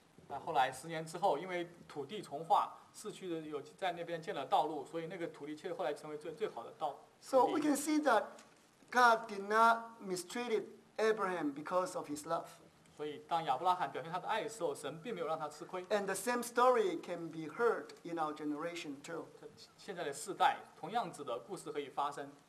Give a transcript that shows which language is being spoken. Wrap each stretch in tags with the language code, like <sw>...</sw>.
<zh>那后来十年之后，因为土地重划。市区的有在那边建了道路，所以那个土地却后来成为最好的道。</zh> <en>So we can see that God did not mistreat Abraham because of his love.</en> <zh>所以当亚伯拉罕表现他的爱的时候，神并没有让他吃亏。</zh> <en>And the same story can be heard in our generation too.</en> <zh>现在的世代，同样子的故事可以发生。</zh>